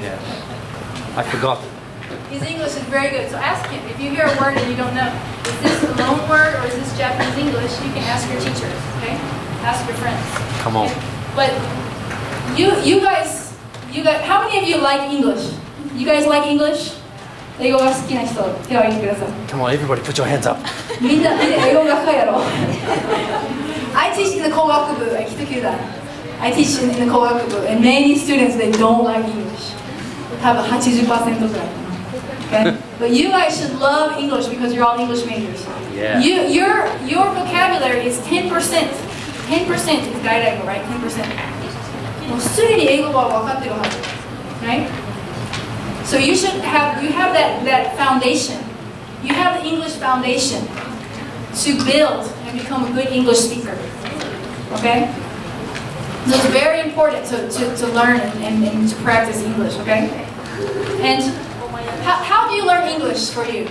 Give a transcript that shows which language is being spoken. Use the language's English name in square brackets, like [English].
[English] Yeah. I forgot. His English is very good. So ask him. If you hear a word and you don't know, is this a loan word or is this Japanese English, you can ask your teacher. Okay? Ask your friends. Come on. Okay? But you guys, how many of you like English? You guys like English? [Japanese] 英語が好きな人、手を挙げてください。 [English] Come on, everybody, put your hands up. [Japanese] みんな、みんな英語学科やろ。 [English] I teach in the 工学部、北九段。 I teach in the 工学部、and many students, they don't like English. [Japanese] 多分 80% くらい。 [English] Okay? But you guys should love English because you're all English majors. Yeah. Your vocabulary is 10%. 10% is 外来語, right? 10%. [Japanese] もうすでに英語は分かってるはず。 [English] Right? So you have that foundation. You have the English foundation to build and become a good English speaker. Okay? So it's very important to learn and to practice English, okay? And how do you learn English for you?